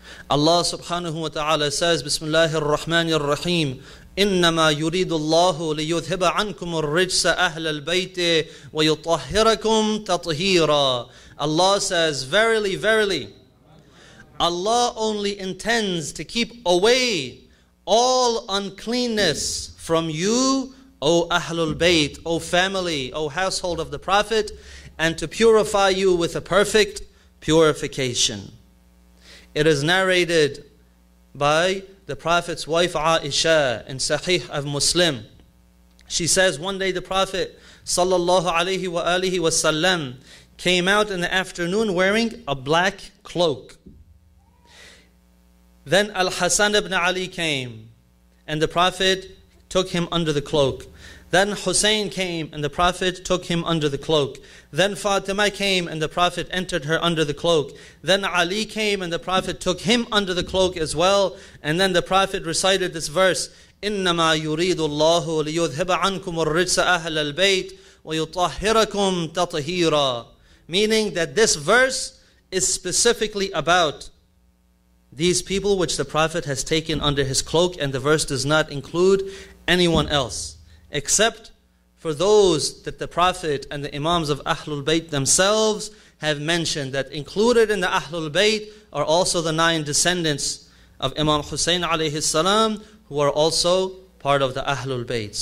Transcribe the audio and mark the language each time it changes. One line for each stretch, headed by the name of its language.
English: Allah subhanahu wa ta'ala says, Bismillahir Rahmanir Rahim,
Arabic: إِنَّمَا يُرِيدُ اللَّهُ لِيُذْهِبَ عَنْكُمُ الرِّجْسَ أَهْلَ الْبَيْتِ وَيُطَهِّرَكُمْ تَطْهِيرًا.
English: Allah says, verily, verily, Allah only intends to keep away all uncleanness from you, O Ahlul Bayt, O family, O household of the Prophet, and to purify you with a perfect purification. It is narrated by the Prophet's wife Aisha in Sahih of Muslim. She says, one day the Prophet sallallahu alayhi wa alihi wasallam came out in the afternoon wearing a black cloak. Then Al-Hasan ibn Ali came, and the Prophet took him under the cloak. Then Hussein came, and the Prophet took him under the cloak. Then Fatima came, and the Prophet entered her under the cloak. Then Ali came, and the Prophet took him under the cloak as well. And then the Prophet recited this verse,
Arabic: إِنَّمَا يُرِيدُ اللَّهُ لِيُذْهِبَ عَنْكُمُ الرِّجْسَ أَهْلَ الْبَيْتِ وَيُطَهِّرَكُمْ تَطْهِيرًا.
English: Meaning that this verse is specifically about these people which the Prophet has taken under his cloak, and the verse does not include anyone else except for those that the Prophet and the Imams of Ahlul Bayt themselves have mentioned, that included in the Ahlul Bayt are also the nine descendants of Imam Hussein alayhi salam, who are also part of the Ahlul Bayt.